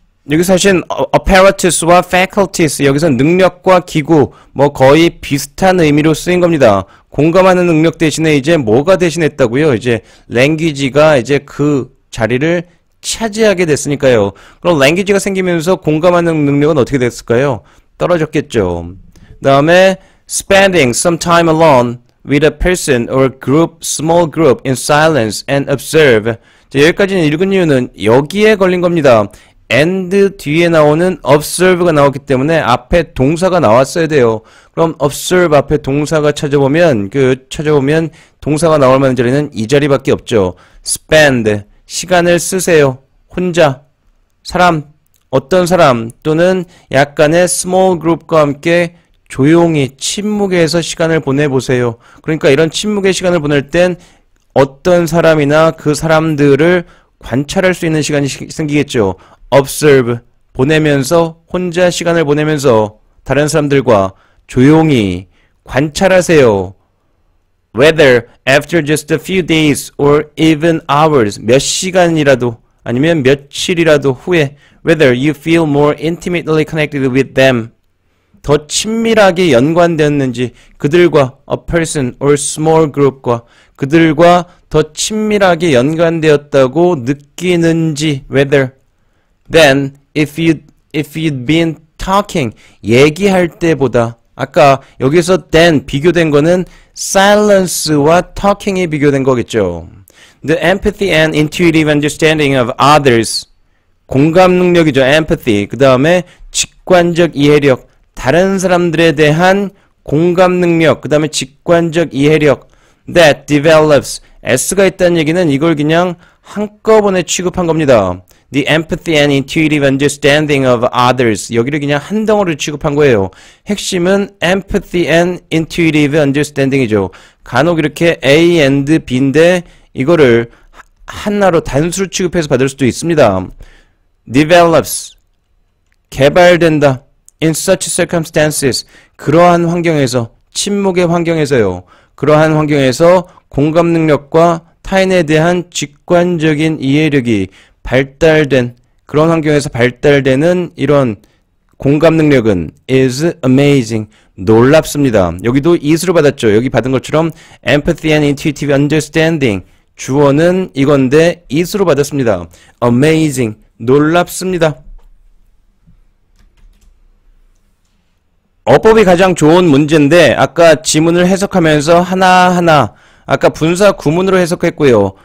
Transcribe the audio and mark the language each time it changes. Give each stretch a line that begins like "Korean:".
Korean: 여기 사실 apparatus와 faculties, 여기서 능력과 기구, 뭐 거의 비슷한 의미로 쓰인 겁니다. 공감하는 능력 대신에 이제 뭐가 대신했다고요? 이제 language가 이제 그 자리를 차지하게 됐으니까요. 그럼 language가 생기면서 공감하는 능력은 어떻게 됐을까요? 떨어졌겠죠.
English: 그다음에 spending some time alone with a person or group, small group in silence and observe.
Korean: 자, 여기까지는 읽은 이유는 여기에 걸린 겁니다. and 뒤에 나오는 observe가 나왔기 때문에 앞에 동사가 나왔어야 돼요. 그럼 observe 앞에 동사가 찾아보면 동사가 나올 만한 자리는 이 자리밖에 없죠. spend 시간을 쓰세요. 혼자 사람 어떤 사람 또는 약간의 small group과 함께 조용히 침묵해서 시간을 보내 보세요. 그러니까 이런 침묵의 시간을 보낼 땐 어떤 사람이나 그 사람들을 관찰할 수 있는 시간이 생기겠죠. Observe 보내면서 혼자 시간을 보내면서 다른 사람들과 조용히 관찰하세요.
English: Whether after just a few days or even hours,
Korean: 몇 시간이라도 아니면 며칠이라도 후에
English: whether you feel more intimately connected with them,
Korean: 더 친밀하게 연관되었는지 그들과
English: a person or small group과 그들과 더 친밀하게 연관되었다고 느끼는지 whether. Then, if you'd been talking,
Korean: 얘기할 때보다, 아까 여기서 then 비교된 거는 silence와 talking이 비교된 거겠죠.
English: The empathy and intuitive understanding of others.
Korean: 공감 능력이죠, empathy. 그 다음에 직관적 이해력. 다른 사람들에 대한 공감 능력. 그 다음에 직관적 이해력.
English: That develops.
Korean: S가 있다는 얘기는 이걸 그냥 한꺼번에 취급한 겁니다.
English: The empathy and intuitive understanding of others.
Korean: 여기를 그냥 한 덩어리 취급한 거예요. 핵심은 empathy and intuitive understanding이죠. 간혹 이렇게 A and B인데 이거를 하나로 단수로 취급해서 받을 수도 있습니다.
English: Develops.
Korean: 개발된다.
English: In such circumstances.
Korean: 그러한 환경에서, 침묵의 환경에서요. 그러한 환경에서 공감 능력과 타인에 대한 직관적인 이해력이 발달된, 그런 환경에서 발달되는 이런 공감 능력은
English: is amazing.
Korean: 놀랍습니다. 여기도 is로 받았죠. 여기 받은 것처럼 empathy and intuitive understanding. 주어는 이건데 is로 받았습니다. amazing. 놀랍습니다. 어법이 가장 좋은 문제인데, 아까 지문을 해석하면서 하나하나, 아까 분사 구문으로 해석했고요.